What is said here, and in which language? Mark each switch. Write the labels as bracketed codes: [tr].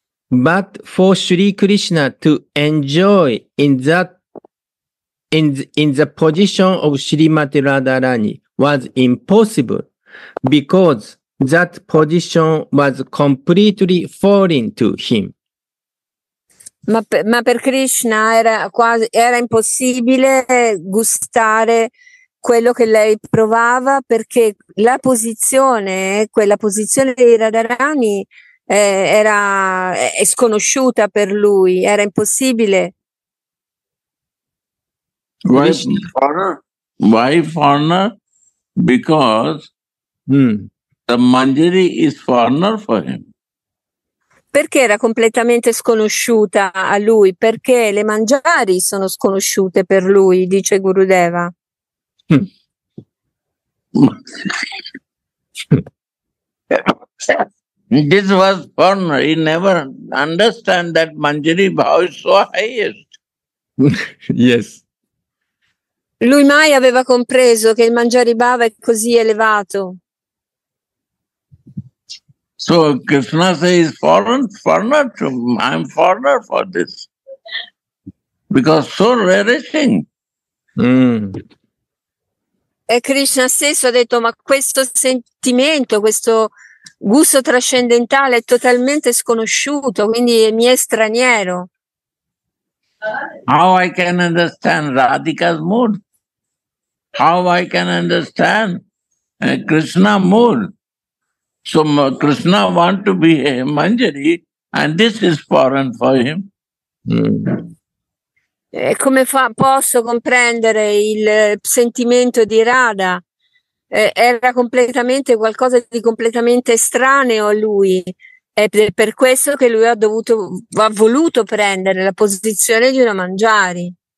[en] but for Sri Krishna to enjoy in the position of Srimati Radharani was impossible because that position was completely foreign to him. [it] Ma per Krishna era impossibile gustare quello che lei provava perché quella posizione di Radharani è sconosciuta per lui, era impossibile. [en] Why foreigner? Why foreigner? Because the Manjari is foreigner for him. [it] Perché era completamente sconosciuta a lui? Perché le Manjari sono sconosciute per lui, dice Gurudeva. [en] This was born, he never understand that Manjari bhav is so highest. Yes. [it] Lui mai aveva compreso che il Manjari bhav è così elevato. [en] So Krishna says foreigner to me. I'm foreigner for this. Because so relishing. [it] E Krishna stesso ha detto, ma questo sentimento, questo gusto trascendentale è totalmente sconosciuto, quindi mi è straniero. [en] How I can understand Radhika's mood? How I can understand Krishna mood? So Krishna want to be a Manjari and this is foreign for him. [it] E come fa, posso comprendere il sentimento di Radha? Era completamente qualcosa di completamente estraneo a lui. Ed è per questo che lui ha voluto prendere la posizione di una Manjari.